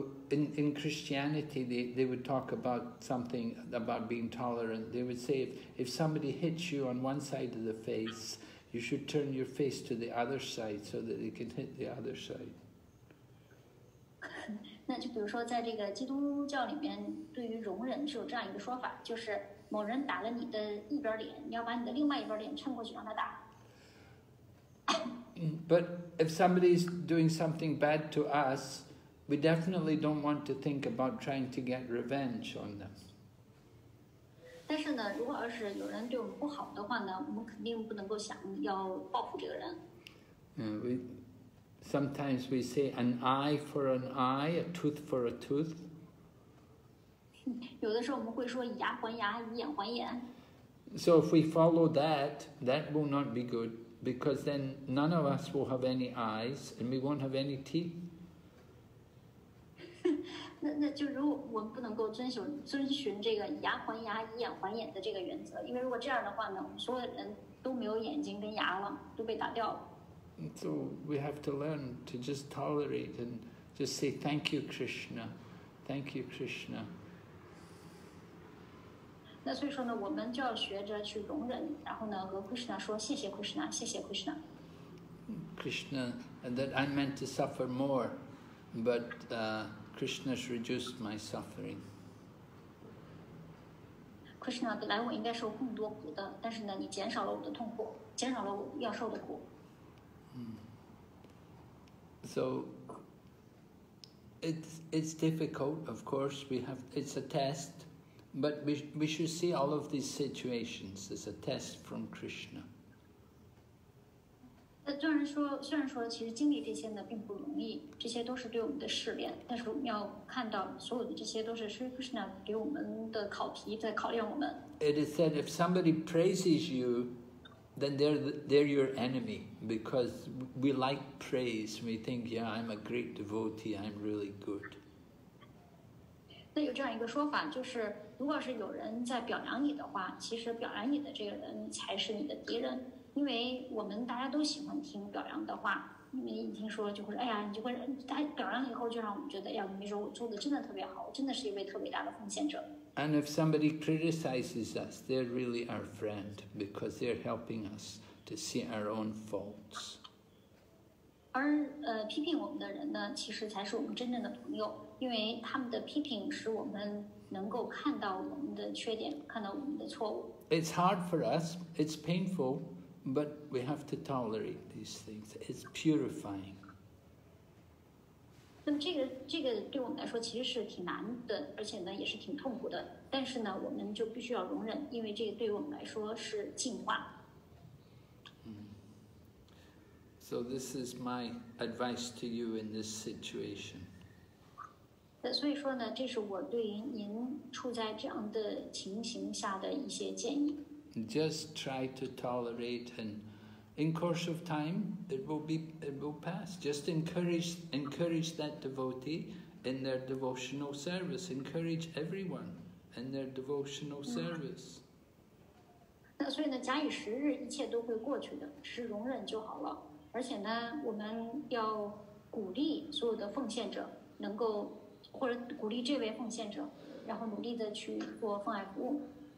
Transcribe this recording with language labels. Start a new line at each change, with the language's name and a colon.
English: In Christianity, they would talk about something about being tolerant. They would say if somebody hits you on one side of the face, you should turn your face to the other side so that they can hit the other side.
Chinese: 那就比如说在这个基督教里面，对于容忍是有这样一个说法，就是某人打了你的一边脸，你要把你的另外一边脸撑过去让他打。
English: But if somebody is doing something bad to us, we definitely don't want to think about trying to get revenge on them.
Chinese: 但是呢，如果要是有人对我们不好的话呢，我们肯定不能够想要报复这个人。
English: Sometimes we say an eye for an eye, a tooth for a tooth.
Chinese: 有的时候我们会说以牙还牙，以眼还眼。
English: So if we follow that, that will not be good, because then none of us will have any eyes and we won't have any teeth.
Chinese: 那就如果我们不能够遵循这个以牙还牙，以眼还眼的这个原则，因为如果这样的话呢，我们所有的人都没有眼睛跟牙了，都被打掉了。
English: So we have to learn to just tolerate and just say thank you, Krishna. Thank you, Krishna.
Chinese: 那所以说呢，我们就要学着去容忍，然后呢和 Krishna 说谢谢 Krishna, 谢谢 Krishna.
English: Krishna, and that I meant to suffer more, but Krishna's reduced my suffering.
Chinese: Krishna, 本来我应该受更多苦的，但是呢你减少了我的痛苦，减少了我要受的苦。
English: So it's difficult, of course, it's a test, but we should see all of these situations as a test from Krishna.
Chinese: 虽然说其实经历这些呢并不容易，这些都是对我们的试炼，但是我们要看到所有的这些都是 Sri Krishna 给我们的考题，在考验我们。
English: It is said if somebody praises you,then they're your enemy, because we like praise. We think, yeah, I'm a great devotee, I'm really good.
Chinese: 那有这样一个说法，就是如果是有人在表扬你的话，其实表扬你的这个人才是你的敌人，因为我们大家都喜欢听表扬的话，你们一听说就会说，哎呀，你就会他表扬以后就让我们觉得，哎呀，你说我做的真的特别好，我真的是一位特别大的奉献者。
English: And if somebody criticizes us, they're really our friend, because they're helping us to see our own faults.
Chinese: 而批评我们的人呢，其实才是我们真正的朋友，因为他们的批评使我们能够看到我们的缺点，看到我们的错误。
English: It's hard for us, it's painful, but we have to tolerate these things. It's purifying.
Chinese: 那么这个对我们来说其实是挺难的，而且呢也是挺痛苦的，但是呢我们就必须要容忍，因为这个对我们来说是进化。
English: So this is my advice to you in this situation.
Chinese: 所以说呢，这是我对于您处在这样的情形下的一些建议。
English: Just try to tolerate andIn course of time, it will pass. Just encourage that devotee in their devotional service. Encourage everyone in their devotional service.
Chinese: 那所以呢，假以时日，一切都会过去的，是容忍就好了。而且呢，我们要鼓励所有的奉献者能够，或者鼓励这位奉献者，然后努力的去做奉爱服务。